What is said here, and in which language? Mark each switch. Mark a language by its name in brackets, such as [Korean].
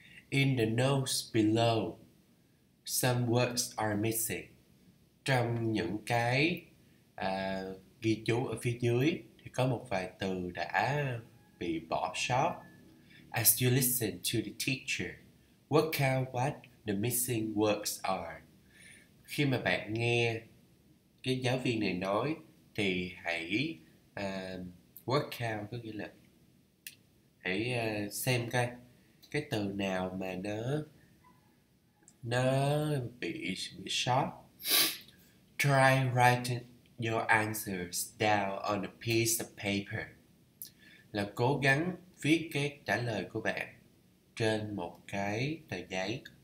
[English] In the notes below, some words are missing. [Vietnamese] Trong những cái ghi chú ở phía dưới thì có một vài từ đã bị bỏ sót. [English] As you listen to the teacher, work out what the missing words are. [Vietnamese] Khi mà bạn nghe cái giáo viên này nói thì hãy work out, có nghĩa là hãy xem coi cái từ nào mà nó bị sót. [English] Try writing your answers down on a piece of paper. [Vietnamese] Là cố gắng viết cái trả lời của bạn trên một cái tờ giấy.